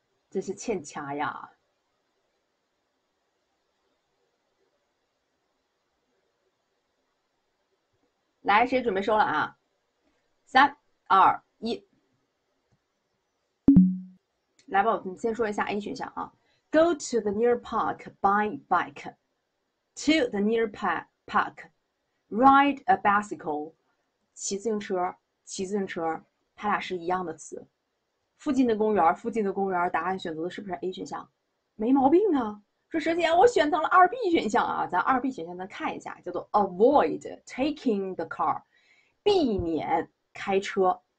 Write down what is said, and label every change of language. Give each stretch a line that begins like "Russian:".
Chinese: 真是欠掐呀！来，谁准备收了啊？三、二、一，来吧，我们先说一下 A 选项啊。
English: Go to the near park by bike. To the near park, ride a bicycle.
Chinese: 骑自行车，骑自行车，它俩是一样的词。附近的公园，附近的公园，答案选择的是不是 A 选项？没毛病啊。说实际啊，我选择了二 B 选项啊，咱二 B 选项咱看一下，叫做
English: avoid taking the car，
Chinese: 避免开车。